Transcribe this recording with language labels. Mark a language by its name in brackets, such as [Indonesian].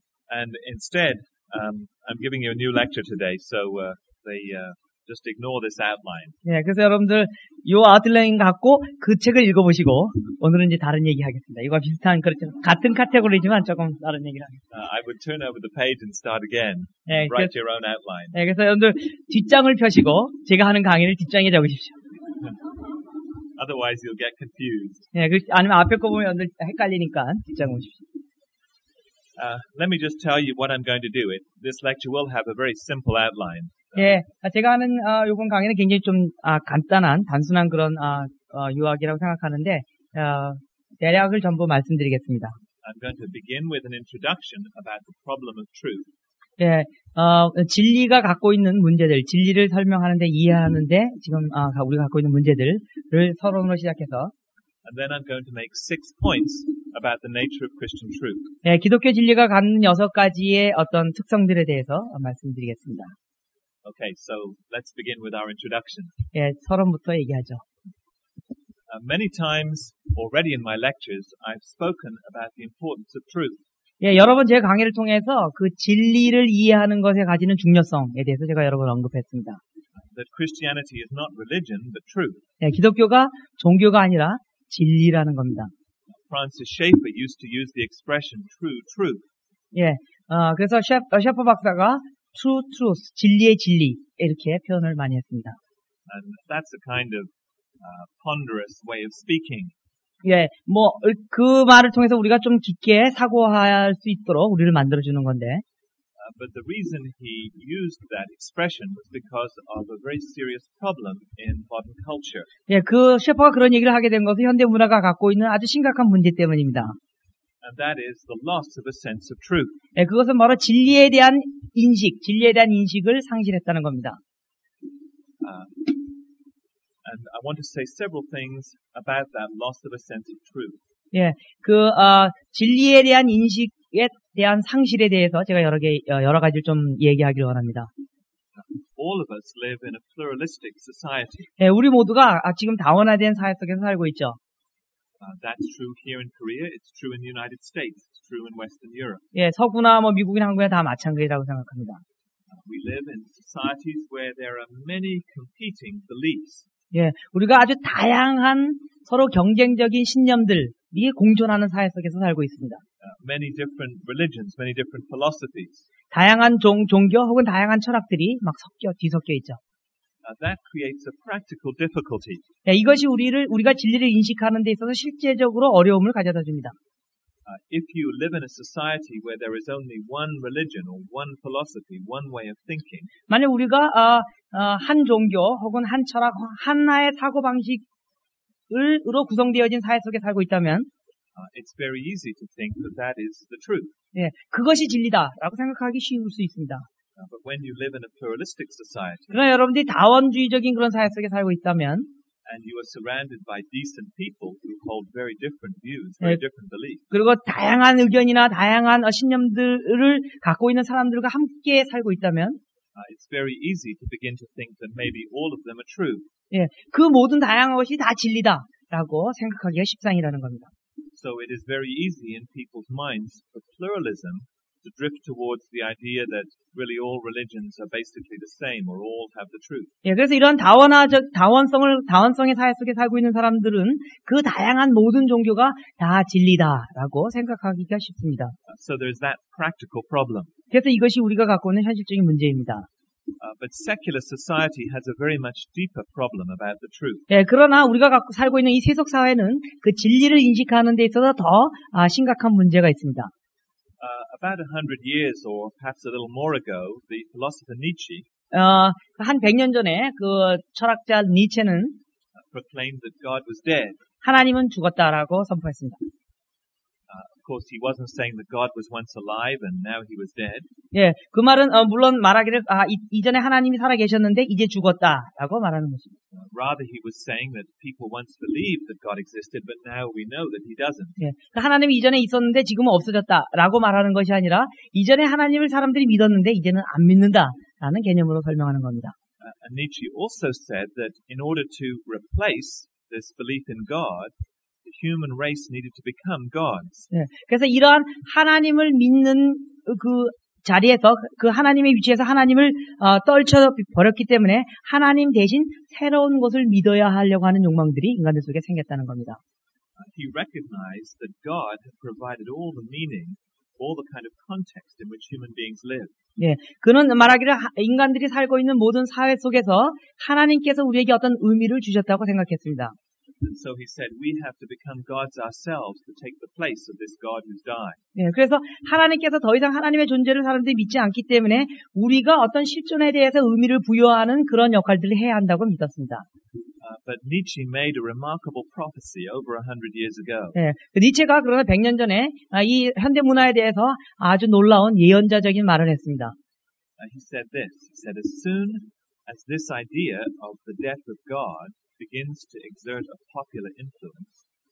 [English] And instead, I'm giving you a new lecture today, so just ignore this outline. [Korean] Yeah, 그래서 여러분들 요 아웃라인 갖고 그 책을 읽어보시고 오늘은 이제 다른 얘기하겠습니다. 이거 비슷한 그렇죠. 같은 카테고리지만 조금 다른 얘기를 하겠습니다. [English] I would turn over the page and start again. Write your own outline. [Korean] 네, 그래서 여러분들 뒷장을 펴시고 제가 하는 강의를 뒷장에 적으십시오. [English] Otherwise, you'll get confused. [Korean] 네, 아니면 앞에 거 보면 여러분들 헷갈리니까 뒷장 보십시오. [English] Let me just tell you what I'm going to do. This lecture will have a very simple outline. [Korean] 예, 제가 하는 이번 강의는 굉장히 좀 간단한, 단순한 그런 유학이라고 생각하는데 대략을 전부 말씀드리겠습니다. [English] I'm going to begin with an introduction about the problem of truth. [Korean] 예, 진리가 갖고 있는 문제들, 진리를 설명하는데 이해하는데 지금 우리가 갖고 있는 문제들을 서론으로 시작해서. [English] And then I'm going to make six points about the nature of Christian truth. [Korean] 예, 기독교 진리가 갖는 여섯 가지의 어떤 특성들에 대해서 말씀드리겠습니다. [English] Okay, so let's begin with our introduction. [Korean] 예, 서론부터 얘기하죠. [English] Many times already in my lectures, I've spoken about the importance of truth. [Korean] 예, 여러 번 제 강의를 통해서 그 진리를 이해하는 것에 가지는 중요성에 대해서 제가 여러 번 언급했습니다. [English] That Christianity is not religion, but truth. [Korean] 예, 기독교가 종교가 아니라 진리라는 겁니다. [English] Francis Schaeffer used to use the expression true truth. [Korean] 예, 그래서 셰퍼 박사가 [English] True truth, [Korean] 진리의 진리 이렇게 표현을 많이 했습니다. [English] And that's a kind of ponderous way of speaking. [Korean] 예, 뭐 그 말을 통해서 우리가 좀 깊게 사고할 수 있도록 우리를 만들어주는 건데. [English] But the reason he used that expression was because of a very serious problem in modern culture. [Korean] 예, 그 셰퍼가 그런 얘기를 하게 된 것은 현대 문화가 갖고 있는 아주 심각한 문제 때문입니다. [English] And that is the loss of a sense of truth. [Korean] 예, 그것은 바로 진리에 대한 인식, 진리에 대한 인식을 상실했다는 겁니다. [English] And I want to say several things about that loss of a sense of truth. [Korean] 예, 그 진리에 대한 인식에 대한 상실에 대해서 제가 여러 가지를 좀 얘기하기를 원합니다. [English] All of us live in a pluralistic society. [Korean] 예, 우리 모두가 지금 다원화된 사회 속에서 살고 있죠. [English] That's true here in Korea. It's true in the United States. It's true in Western Europe. [Korean] 예, 서구나 뭐 미국이나 한국이나 다 마찬가지라고 생각합니다. [English] We live in societies where there are many competing beliefs. [Korean] 예, 우리가 아주 다양한 서로 경쟁적인 신념들이 공존하는 사회 속에서 살고 있습니다. [English] Many different religions, many different philosophies. [Korean] 다양한 종교 혹은 다양한 철학들이 막 뒤섞여 있죠. [English] That creates a practical difficulty. [Korean] 예, 이것이 우리가 진리를 인식하는 데 있어서 실제적으로 어려움을 가져다 줍니다. [English] If you live in a society where there is only one religion or one philosophy, one way of thinking. [Korean] 만약 우리가 한 종교 혹은 한 철학 하나의 사고 방식으로 구성되어진 사회 속에 살고 있다면 [English] it's very easy to think that that is the truth. [Korean] 예, 그것이 진리다라고 생각하기 쉬울 수 있습니다. [English] But when you live in a pluralistic society, [Korean] 그러나 여러분들이 다원주의적인 그런 사회 속에 살고 있다면, [English] and you are surrounded by decent people who hold very different views, very different beliefs. [Korean] 그리고 다양한 의견이나 다양한 신념들을 갖고 있는 사람들과 함께 살고 있다면, [English] it's very easy to begin to think that maybe all of them are true. [Korean] 예, 그 모든 다양한 것이 다 진리다라고 생각하기가 쉽상이라는 겁니다. [English] So it is very easy in people's minds for pluralism to drift towards the idea that really all religions are basically the same or all have the truth. [Korean] 예, 그래서 이런 다원화적 다원성의 사회 속에 살고 있는 사람들은 그 다양한 모든 종교가 다 진리다라고 생각하기가 쉽습니다. [English] So there's that practical problem. [Korean] 그래서 이것이 우리가 갖고 있는 현실적인 문제입니다. [English] But secular society has a very much deeper problem about the truth. [Korean] 예, 그러나 우리가 갖고 살고 있는 이 세속 사회는 그 진리를 인식하는 데 있어서 더 심각한 문제가 있습니다. [English] About 100 years or perhaps a little more ago, the philosopher Nietzsche [Korean] 한 100년 전에 그 철학자 니체는 [English] proclaimed that God was dead. [Korean] 하나님은 죽었다라고 선포했습니다. [English] Of course, he wasn't saying that God was once alive and now he was dead. [Korean] 예, 그 말은 물론 말하기를 이전에 하나님이 살아 계셨는데 이제 죽었다라고 말하는 것입니다. [English] Rather, he was saying that people once believed that God existed, but now we know that he doesn't. [Korean] 예, 그 하나님이 이전에 있었는데 지금은 없어졌다라고 말하는 것이 아니라 이전에 하나님을 사람들이 믿었는데 이제는 안 믿는다라는 개념으로 설명하는 겁니다. [English] And Nietzsche also said that in order to replace this belief in God. Human race needed to become gods. [Korean] 예, 그래서 이러한 하나님을 믿는 그 자리에서 그 하나님의 위치에서 하나님을 떨쳐 버렸기 때문에 하나님 대신 새로운 것을 믿어야 하려고 하는 욕망들이 인간들 속에 생겼다는 겁니다. [English] He recognized that God had provided all the meaning, all the kind of context in which human beings live. [Korean] 예, 그는 말하기를 인간들이 살고 있는 모든 사회 속에서 하나님께서 우리에게 어떤 의미를 주셨다고 생각했습니다. [English] And so he said, we have to become gods ourselves to take the place of this God who's died. [Korean] 예, 그래서 하나님께서 더 이상 하나님의 존재를 사람들이 믿지 않기 때문에 우리가 어떤 실존에 대해서 의미를 부여하는 그런 역할들을 해야 한다고 믿었습니다. [English] But Nietzsche made a remarkable prophecy over 100 years ago. [Korean] 예, 니체가 그러나 100년 전에 이 현대 문화에 대해서 아주 놀라운 예언자적인 말을 했습니다. [English] He said this. He said, as soon as this idea of the death of God begins to exert a popular influence.